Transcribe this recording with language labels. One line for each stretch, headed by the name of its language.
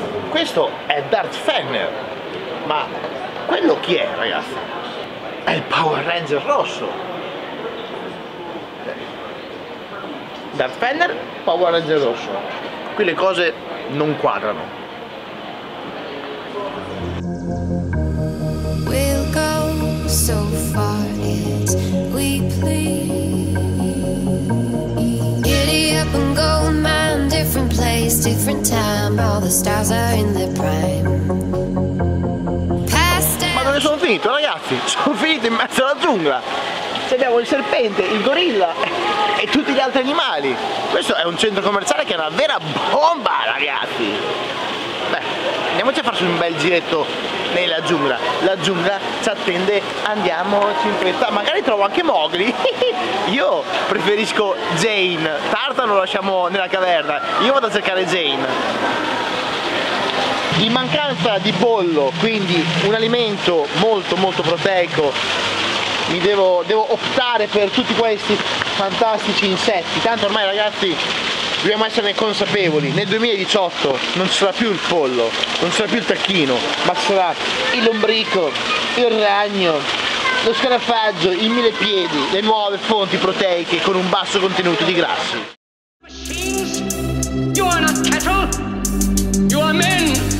Italian: Questo è Darth Fener, ma quello chi è, ragazzi? È il Power Ranger rosso. Darth Fener, Power Ranger rosso. Qui le cose non quadrano.
English: We'll go so far as we please. Giddy up and go, man, different place, different time. All the stars are in their prime.
Italian: Ma dove sono finito, ragazzi? Sono finito in mezzo alla giungla. Abbiamo il serpente, il gorilla e tutti gli altri animali. Questo è un centro commerciale che è una vera bomba, ragazzi. Beh, andiamoci a farci un bel giretto nella giungla. La giungla ci attende, andiamoci in fretta. Magari trovo anche Mowgli. Io preferisco Jane. Tarzan lo lasciamo nella caverna. Io vado a cercare Jane. In mancanza di pollo, quindi un alimento molto molto proteico, mi devo optare per tutti questi fantastici insetti. Tanto ormai, ragazzi, dobbiamo esserne consapevoli. Nel 2018 non ci sarà più il pollo, non ci sarà più il tacchino, ma ci sarà il lombrico, il ragno, lo scarafaggio, il millepiedi, le nuove fonti proteiche con un basso contenuto di grassi.
English: You are not cattle, you are men.